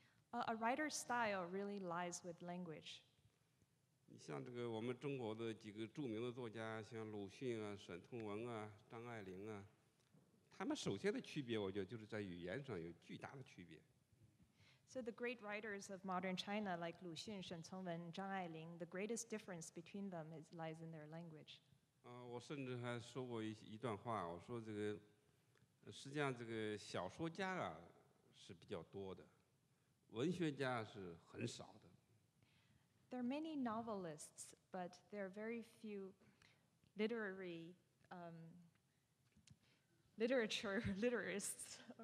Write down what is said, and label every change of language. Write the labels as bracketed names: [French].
[English] A writer's style really lies with language. [Chinese] 像这个我们中国的几个著名的作家，像鲁迅啊、沈从文啊、张爱玲啊，他们首先的区别，我觉得就是在语言上有巨大的区别。 [English] So the great writers of modern China, like 鲁迅、沈从文、张爱玲, the greatest difference between them is lies in their language. [Chinese] 我甚至还说过一段话，我说这个，实际上这个小说家啊是比较多的，文学家是很少的。 [English] There are many novelists, but there are very few literary literists.